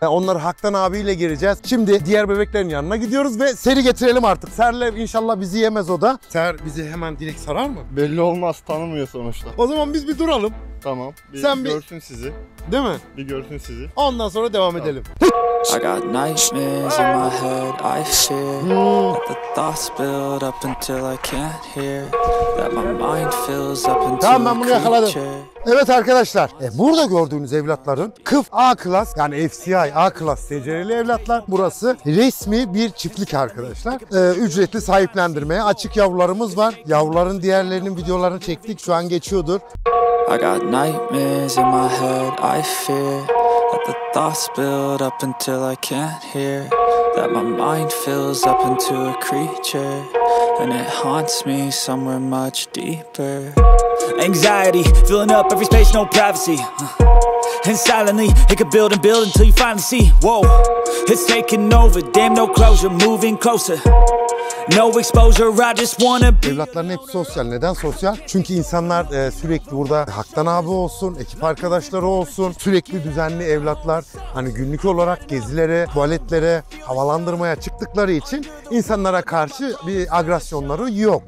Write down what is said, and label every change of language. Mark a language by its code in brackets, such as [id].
[tr] Onları Haktan abiyle gireceğiz. Şimdi diğer bebeklerin yanına gidiyoruz ve Ser'i getirelim artık. Ser'le inşallah bizi yemez o da. Ser bizi hemen direkt sarar mı? Belli olmaz, tanımıyor sonuçta. O zaman biz bir duralım. Tamam, bir sen görsün bir... sizi. Değil mi? Bir görsün sizi. Ondan sonra devam tamam. Edelim. [en] I got nightmares in my head, I fear the thoughts build up until I can't hear that my mind fills up into [tr] tamam, ben bunu yakaladım. Evet arkadaşlar, burada gördüğünüz evlatların KIF A-Class, yani FCI A-Class SCR'li evlatlar. Burası resmi bir çiftlik arkadaşlar. Ücretli sahiplendirmeye açık yavrularımız var. Yavruların diğerlerinin videolarını çektik, şu an geçiyordur. [en] I got nightmares in my head, I fear that the thoughts build up until I can't hear. That my mind fills up into a creature and it haunts me somewhere much deeper. Anxiety, filling up every space, no privacy. And silently, it could build and build until you finally see. Whoa, it's taking over, damn no closure, moving closer. No exposure, I just wanna be. [tr] Evlatların hepsi sosyal. Neden sosyal? Çünkü insanlar sürekli burada Haktan abi olsun, ekip arkadaşları olsun, sürekli düzenli evlatlar. Hani günlük olarak gezilere, tuvaletlere, havalandırmaya çıktıkları için insanlara karşı bir agresyonları yok.